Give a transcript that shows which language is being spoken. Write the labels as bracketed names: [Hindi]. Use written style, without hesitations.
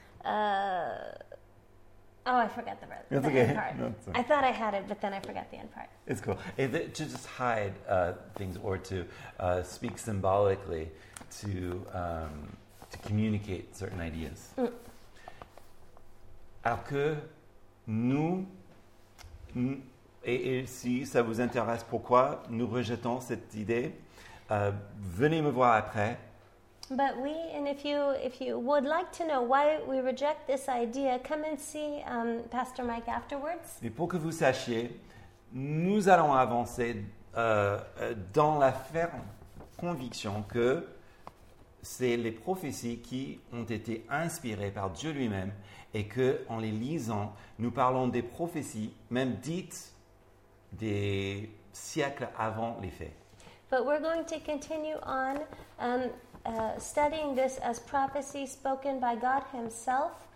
[English] I forgot the end part. Okay. I thought I had it, but then I forgot the end part. It's cool. Is it to just hide things or to speak symbolically to communicate certain ideas. Mm. [French] Alors que nous, et si ça vous intéresse, pourquoi nous rejetons cette idée, venez me voir après. [English] But we, and if you would like to know why we reject this idea, come and see Pastor Mike afterwards. [French] Et pour que vous sachiez, nous allons avancer dans la ferme conviction que c'est les prophéties qui ont été inspirées par Dieu lui-même et que, en les lisant, nous parlons des prophéties même dites des siècles avant les faits. [English] But we're going to continue on studying this as prophecy spoken by God himself.